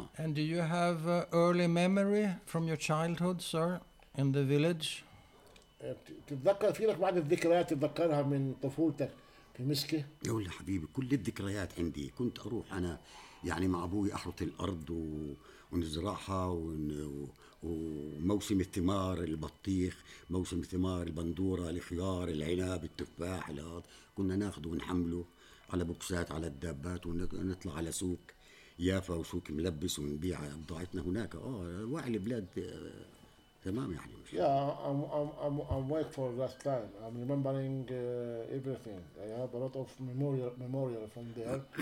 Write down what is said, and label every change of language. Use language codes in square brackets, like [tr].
[en] And do you have early memory from your childhood, sir, in the village? [ar] تتذكر في لك بعض الذكريات تتذكرها من طفولتك في مسكة؟ يا ولد حبيبي كل الذكريات عندي كنت أروح أنا يعني مع أبوي أحرث الأرض ونزرعها وموسم الثمار البطيخ موسم الثمار البندورة الخيار العناب التفاح الهاد كنا ناخده ونحمله على بوكسات على الدابات ونطلع على سوق يافا وسوق ملبس ونبيع بضاعتنا هناك واعي البلاد تمام يعني مش [en] yeah I'm awake for that time I'm remembering everything I have a lot of memorial from there